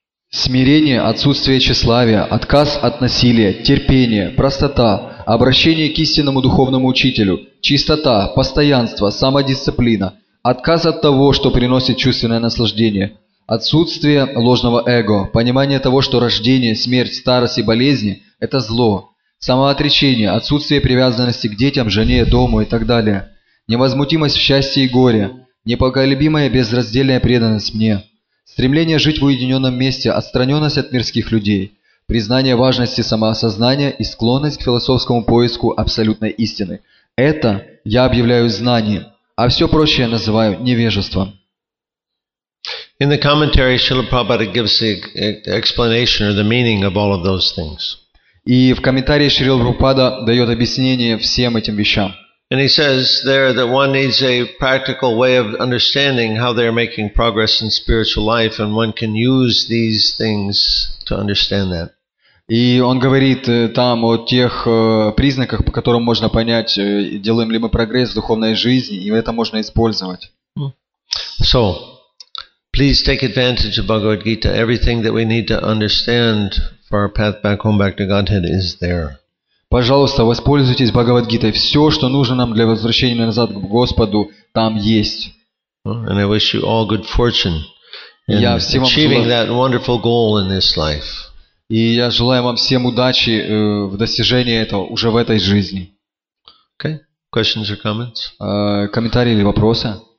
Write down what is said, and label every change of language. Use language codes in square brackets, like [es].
[ru] Смирение, отсутствие тщеславия, отказ от насилия, терпение, простота, обращение к истинному духовному учителю, чистота, постоянство, самодисциплина, отказ от того, что приносит чувственное наслаждение, отсутствие ложного эго, понимание того, что рождение, смерть, старость и болезни – это зло, самоотречение, отсутствие привязанности к детям, жене, дому и так далее, невозмутимость в счастье и горе, непоколебимая безраздельная преданность мне. Стремление жить в уединенном месте, отстраненность от мирских людей, признание важности самоосознания и склонность к философскому поиску абсолютной истины. Это я объявляю знанием, а все прочее называю невежеством. [en] In the commentary, Srila Prabhupada gives the explanation or the meaning of all of those things. [ru] И в комментарии Шрила Прабхупада дает объяснение всем этим вещам. [en] And he says there that one needs a practical way of understanding how they are making progress in spiritual life, and one can use these things to understand that. [ru] И он говорит там о тех признаках, по которым можно понять, делаем ли мы прогресс в духовной жизни, и это можно использовать. [en] So, please take advantage of Bhagavad Gita. Everything that we need to understand for our path back home, back to Godhead, is there. [ru] Пожалуйста, воспользуйтесь Бхагавад-гитой. Все, что нужно нам для возвращения назад к Господу, там есть. [en] I wish you all good fortune in achieving that wonderful goal in this life. [ru] И я желаю вам всем удачи в достижении этого уже в этой жизни. [en] Okay. Questions or comments? [ru] Комментарии или вопросы?